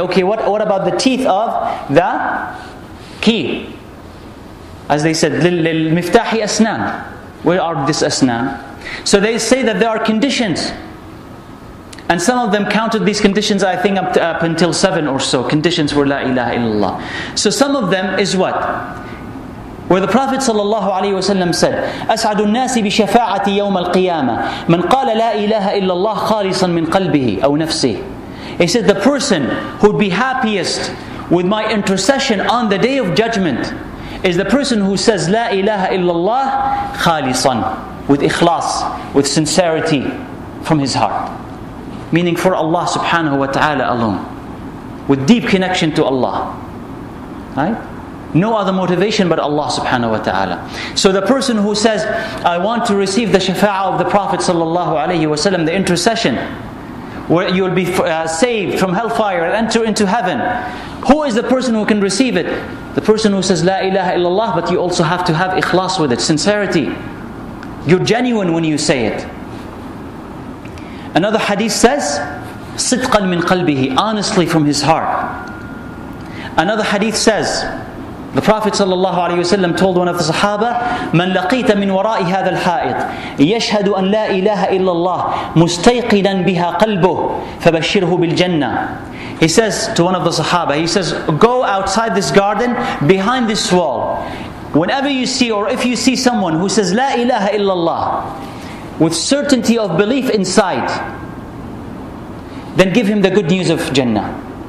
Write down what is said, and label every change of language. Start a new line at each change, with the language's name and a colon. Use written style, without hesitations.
English: Okay, what about the teeth of the key? As they said,
Arabic: لِلْمِفْتَاحِ أَسْنَانِ.
English: Where are this asnan? So they say that there are conditions. And some of them counted these conditions, I think, up until 7 or so. Conditions for La ilaha illallah. So some of them is what? Where the Prophet sallallahu alaihi wasallam said,
Arabic: أَسْعَدُ النَّاسِ بِشَفَاعَةِ يَوْمَ الْقِيَامَةِ مَنْ قَالَ لَا إِلَهَ إِلَّا اللَّهِ خَالِصًا مِنْ قَلْبِهِ أَوْ نَفْسِهِ.
English: He said, the person who would be happiest with my intercession on the Day of Judgment is the person who says La ilaha illallah khalisan, with ikhlas, with sincerity from his heart. Meaning for Allah subhanahu wa ta'ala alone. With deep connection to Allah. Right? No other motivation but Allah subhanahu wa ta'ala. So the person who says, I want to receive the shafa'ah of the Prophet sallallahu alayhi wa sallam, the intercession, where you will be saved from hellfire and enter into heaven. Who is the person who can receive it? The person who says La ilaha illallah, but you also have to have ikhlas with it, sincerity. You're genuine when you say it. Another hadith says,
Arabic: صِدْقًا مِنْ قَلْبِهِ,
English: honestly from his heart. Another hadith says, the Prophet sallallahu alayhi wasallam told one of the Sahaba,
Arabic: مَنْ لَقِيْتَ مِنْ وَرَاءِ هَذَا الْحَائِطِ يَشْهَدُ أَنْ لَا إِلَهَ إِلَّا اللَّهِ مُسْتَيْقِنًا بِهَا قَلْبُهُ فَبَشِّرْهُ بِالْجَنَّةِ.
English: He says to one of the Sahaba, he says, go outside this garden, behind this wall. Whenever you see, or if you see someone who says La ilaha illallah with certainty of belief inside, then give him the good news of Jannah.